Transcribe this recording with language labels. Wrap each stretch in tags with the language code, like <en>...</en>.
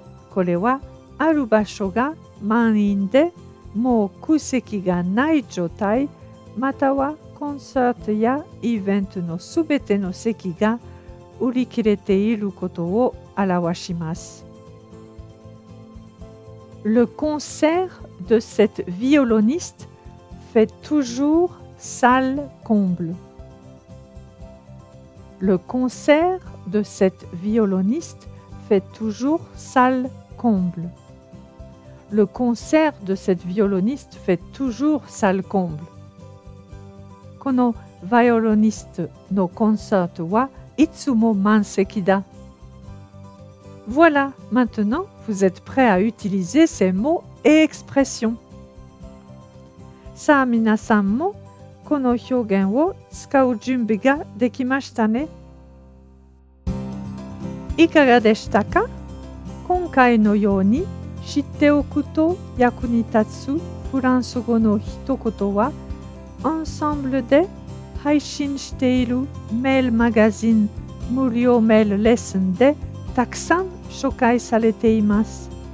<ja>これはある場所が満員でもう空席がない状態、またはコンサートやイベントのすべての席が売り切れていることを表します。</ja> <fr>Le concert de cette violoniste fait toujours salle comble. Le concert de cette violoniste fait toujours salle comble. Comble. Le concert de cette violoniste fait toujours salle comble.</fr> <ja>このヴァイオロニストのコンサートはいつも満席だ。</ja> <fr>Voilà, maintenant vous êtes prêts à utiliser ces mots et expressions.</fr> <ja>さあ皆さんもこの表現を使う準備ができましたね。いかがでしたか?今回のように知っておくと役に立つフランス語の一言は、アンサンブルで配信しているメールマガジン無料メールレッスンでたくさん紹介されています。</ja>